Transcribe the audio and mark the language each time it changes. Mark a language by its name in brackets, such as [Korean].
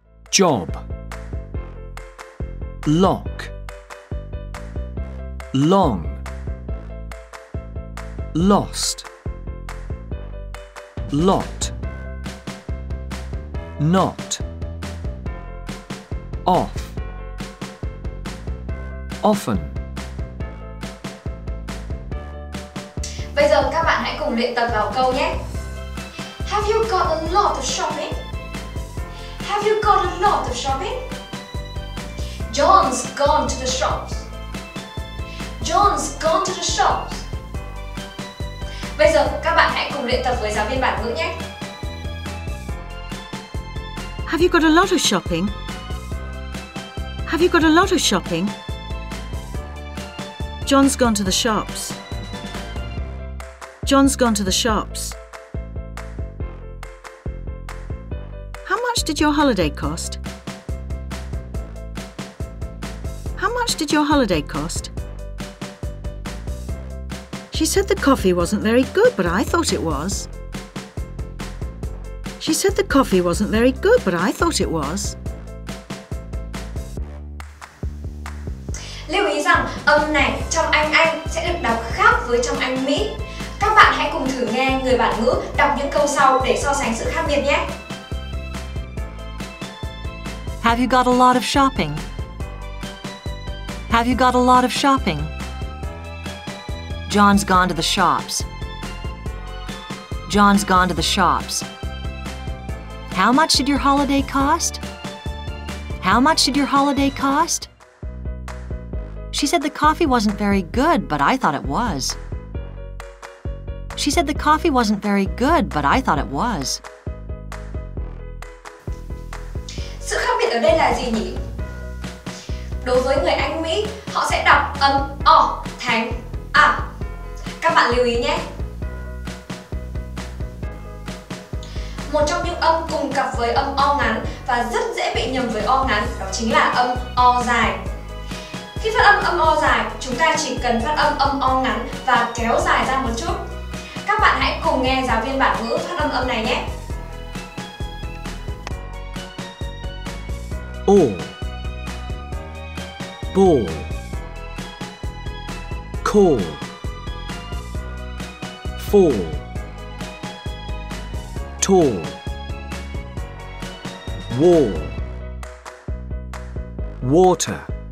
[English] job, lock, long, lost, lot, not, off, often. [Vietnamese] Bây giờ các bạn hãy cùng luyện tập vào câu nhé. [English] Have you got a lot of shopping? Have you got a lot of shopping? John's gone to the shops. John's gone to the shops. [Vietnamese] Bây giờ các bạn hãy cùng luyện tập với giáo viên bản ngữ nhé. [English] Have you got a lot of shopping? Have you got a lot of shopping? John's gone to the shops. John's gone to the shops. How much did your holiday cost? How much did your holiday cost? She said the coffee wasn't very good, but I thought it was. She said the coffee wasn't very good, but I thought it was. [Vietnamese] Âm này trong Anh sẽ được đọc khác với trong Anh Mỹ. Các bạn hãy cùng thử nghe người bản ngữ đọc những câu sau để so sánh sự khác biệt nhé. [English] Have you got a lot of shopping? Have you got a lot of shopping? John's gone to the shops. John's gone to the shops. How much did your holiday cost? How much did your holiday cost? She said the coffee wasn't very good, but I thought it was. She said the coffee wasn't very good, but I thought it was. [Vietnamese] Sự khác biệt ở đây là gì nhỉ? Đối với người Anh Mỹ, họ sẽ đọc âm o thành a. Các bạn lưu ý nhé. Một trong những âm cùng cặp với âm o ngắn và rất dễ bị nhầm với o ngắn đó chính là âm o dài. Khi phát âm âm o dài, chúng ta chỉ cần phát âm âm o ngắn và kéo dài ra một chút. Các bạn hãy cùng nghe giáo viên bản ngữ phát âm âm này nhé. [English] O, ball, call, fall, tall, wall, water,